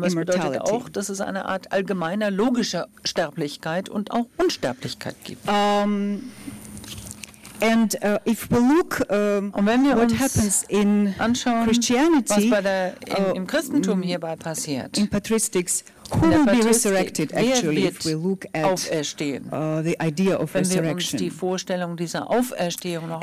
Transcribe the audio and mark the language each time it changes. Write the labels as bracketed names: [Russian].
[German] Das bedeutet auch, dass es eine Art allgemeiner logischer Sterblichkeit und auch Unsterblichkeit gibt. [English] And if we look what happens in Christianity, [German] was bei der, im Christentum hierbei passiert, [English] in patristics, Who will be resurrected, actually, if we look at the idea of resurrection? [German] Wenn wir uns die Vorstellung dieser Auferstehung noch